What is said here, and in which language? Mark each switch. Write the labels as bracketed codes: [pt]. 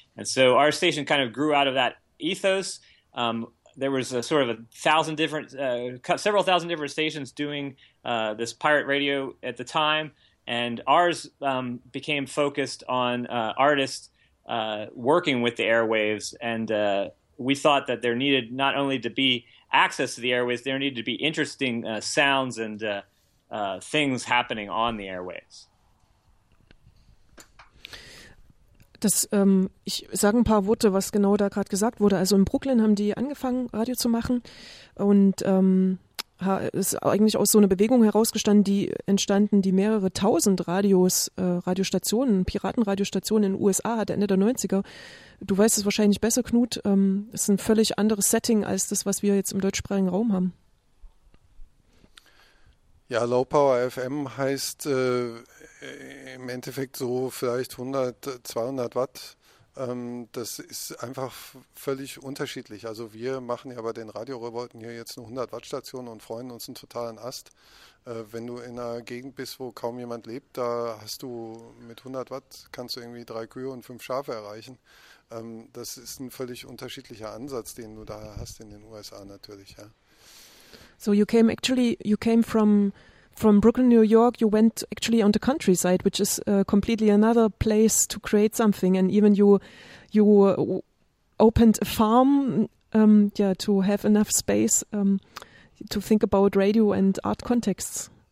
[en] And so our station kind of grew out of that ethos. There was a sort of several thousand different stations doing this pirate radio at the time, and ours became focused on artists working with the airwaves. And we thought that there needed not only to be access to the airwaves, there needed to be interesting sounds and things happening on the airwaves. [de] Das, ich sage ein paar Worte, was genau da gerade gesagt wurde. Also in Brooklyn haben die angefangen, Radio zu machen, und ist eigentlich aus so einer Bewegung herausgestanden, die entstanden, die mehrere tausend Radios, Radiostationen, Piratenradiostationen in den USA hat, Ende der 90er. Du weißt es wahrscheinlich besser, Knut. Es ist ein völlig anderes Setting als das, was wir jetzt im deutschsprachigen Raum haben. Ja, Low Power FM heißt im Endeffekt so vielleicht 100, 200 Watt. Das ist einfach völlig unterschiedlich. Also wir machen ja bei den Radiorobotern hier jetzt eine 100-Watt-Station und freuen uns einen totalen Ast. Wenn du in einer Gegend bist, wo kaum jemand lebt, da hast du mit 100 Watt, kannst du irgendwie 3 Kühe und 5 Schafe erreichen. Das ist ein völlig unterschiedlicher Ansatz, den du da hast in den USA natürlich. Ja. [en] So you came from Brooklyn, New York, you went actually on the countryside, which is completely another place to create something. And even you opened a farm to have enough space to think about radio and art contexts.